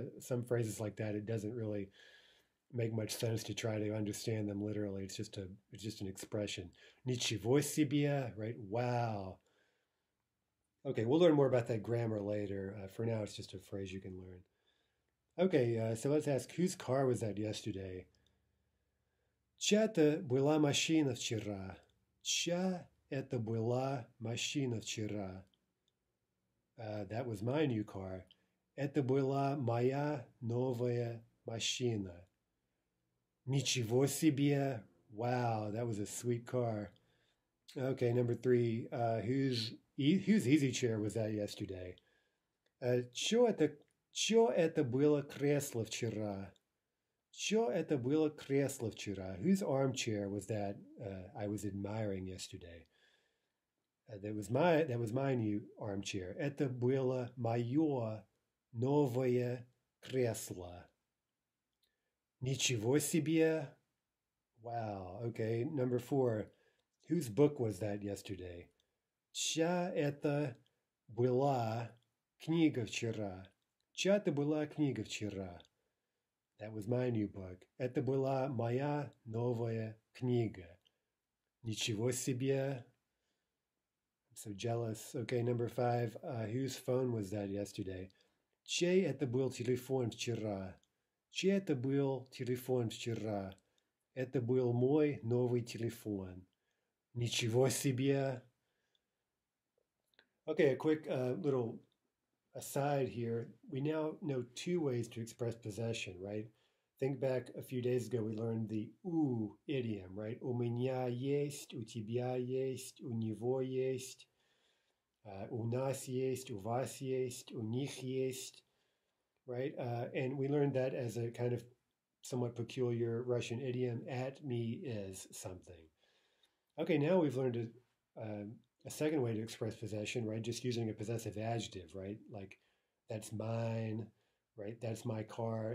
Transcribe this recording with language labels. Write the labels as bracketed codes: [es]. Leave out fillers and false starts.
[en] Some phrases like that, it doesn't really make much sense to try to understand them literally. It's just an expression. [ru] Ничего себе, [en] right? Wow. Okay, we'll learn more about that grammar later. For now, it's just a phrase you can learn. Okay, so let's ask, whose car was that yesterday? [ru] Чья это была машина вчера? Чья это была машина вчера? [en] That was my new car. [ru] Это была моя новая машина. Ничего себе! [en] Wow, that was a sweet car. Okay, number 3. Whose easy chair was that yesterday? [ru] Чё это было кресло вчера? Чё это было кресло вчера? [en] Whose armchair was that I was admiring yesterday? That was my new armchair. [ru] Это было моё новое кресло. Ничего себе! [en] Wow, okay, number 4. Whose book was that yesterday? [ru] Чё это была книга вчера? Чья это была книга вчера? [en] That was my new book. [ru] Это была моя новая книга. Ничего себе. [en] I'm so jealous. Okay, number 5. Whose phone was that yesterday? [ru] Чей это был телефон вчера? Чей это был телефон вчера? Это был мой новый телефон. Ничего себе. [en] Okay, a quick little aside here, we now know two ways to express possession, right? Think back a few days ago, we learned the у idiom, right? [ru] У меня есть, у тебя есть, у него есть, у нас есть, у вас есть, у них есть, right? [en] And we learned that as a kind of somewhat peculiar Russian idiom, at me is something. Okay, now we've learned a second way to express possession, right? Just using a possessive adjective, right? Like, that's mine, right? That's my car.